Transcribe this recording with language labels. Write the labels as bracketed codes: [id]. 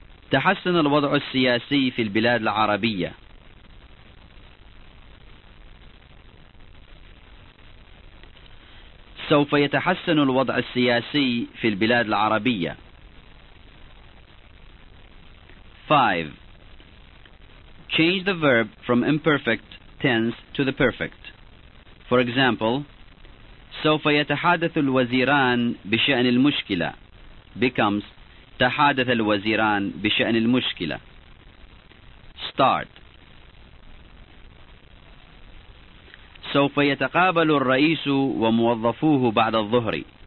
[ar] تحسن الوضع السياسي في البلاد العربية. سوف يتحسن الوضع السياسي في البلاد العربية. [en] 5. Change the verb from imperfect tense to the perfect. For example, [ar] سوف يتحدث الوزيران بشأن المشكلة [en] becomes [ar] تحدث الوزيران بشأن المشكلة. [en] Start. [ar] سوف يتقابل الرئيس وموظفوه بعد الظهر.